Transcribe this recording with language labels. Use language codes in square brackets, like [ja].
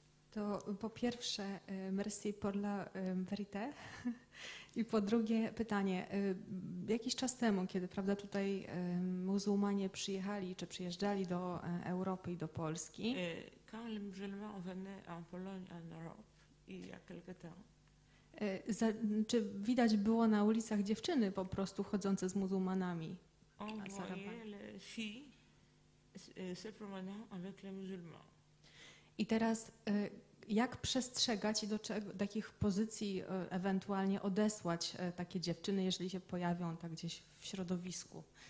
[pl] To po pierwsze, [fr] merci pour la vérité. [pl] I po drugie pytanie, jakiś czas temu, kiedy prawda tutaj muzułmanie przyjechali czy przyjeżdżali do Europy i do Polski. [fr] Quand les musulmans venaient en Pologne en Europe, il y a quelques temps. [pl] Czy widać było na ulicach dziewczyny po prostu chodzące z muzułmanami? [fr] On voyait les filles se promenant avec les musulmans. [pl] I teraz jak przestrzegać i do jakich pozycji ewentualnie odesłać takie dziewczyny, jeżeli się pojawią tak gdzieś w środowisku?